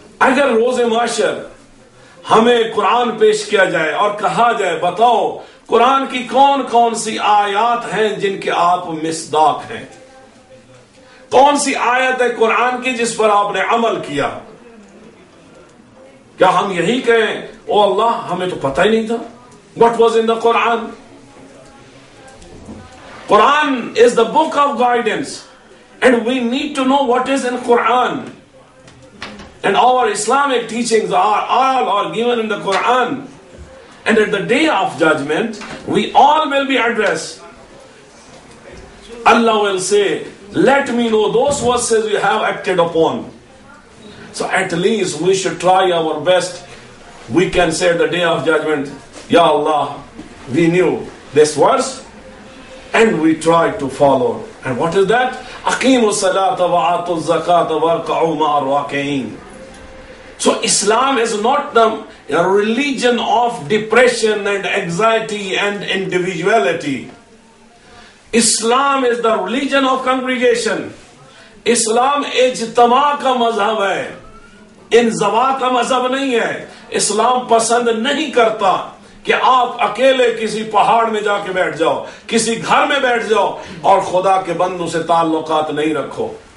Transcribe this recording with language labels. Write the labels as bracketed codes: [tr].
[ur] اگر روز معاشر ہمیں قرآن پیش کیا جائے اور کہا جائے بتاؤ قرآن کی کون کون سی آیات ہیں جن کے آپ مصداق ہیں, کون سی آیت ہے قرآن کی جس پر آپ نے عمل کیا, کیا ہم یہی کہیں او اللہ ہمیں تو پتہ ہی نہیں تھا [en] what was in the Quran. Quran is the book of guidance and we need to know what is in Quran and our Islamic teachings are all are given in the Quran and at the day of judgment we all will be addressed. Allah will say let me know those verses you have acted upon. So at least we should try our best. We can say the day of judgment, Ya Allah, we knew this verse and we tried to follow. And what is that? [ar] أَقِيمُ السَّلَاةَ وَعَاتُ الزَّكَاةَ وَارْكَعُوا مَا الرَّاكِعِينَ. [en] So Islam is not the religion of depression and anxiety and individuality. Islam is the religion of congregation. [ur] Islam اجتماع کا مذہب ہے, انزوا کا مذہب نہیں ہے. اسلام پسند نہیں کرتا کہ آپ اکیلے کسی پہاڑ میں جا کے بیٹھ جاؤ, کسی گھر میں بیٹھ جاؤ اور خدا کے بندوں سے تعلقات نہیں رکھو.